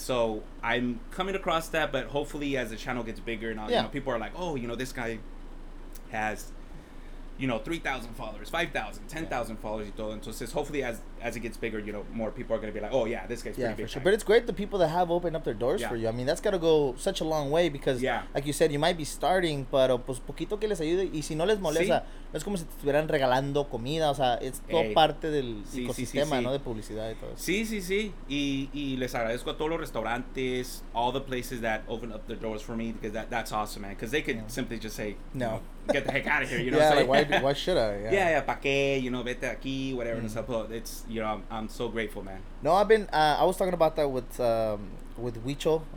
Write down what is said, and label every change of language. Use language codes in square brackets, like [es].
[en] So I'm coming across that, but hopefully as the channel gets bigger and all, yeah. You know, people are like, oh, you know, this guy has, you know, 3,000 followers, 5,000, 10,000 followers. You throw them. So hopefully as it gets bigger, you know, more people are going to be like, oh, yeah, this guy's pretty big. For sure. But it's great the people that have opened up their doors for you. I mean, that's got to go such a long way because, like you said, you might be starting, [es] pero pues poquito que les ayude. Y si no les molesta, no es como si te estuvieran regalando comida. O sea, es todo parte del ecosistema, ¿no? De publicidad y todo eso. Sí. Y les agradezco a todos los restaurantes, [en] all the places that opened up their doors for me because that's awesome, man. Because they could simply just say, no. Get the heck out of here, you know? Yeah, like, why should I? Yeah, [es] pa' qué, [en] you know, [es] vete aquí, [en] whatever. It's, you know, I'm so grateful, man. No, I've been, I was talking about that with Huicho.